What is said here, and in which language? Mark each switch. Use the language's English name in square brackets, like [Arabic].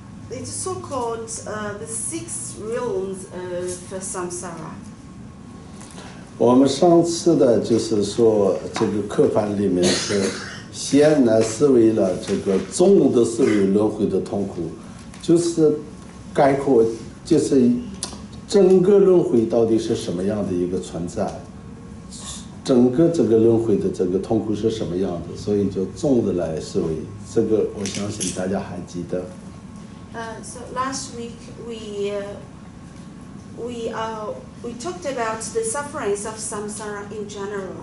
[English] It's so called the six realms of samsara. [Chinese] 我们上次的就是说，这个课范里面是先来思维了这个总的思维轮回的痛苦，就是概括，就是整个轮回到底是什么样的一个存在，整个这个轮回的这个痛苦是什么样的，所以就总的来思维，这个我相信大家还记得。 [English] So last week we talked about the sufferings of samsara in general.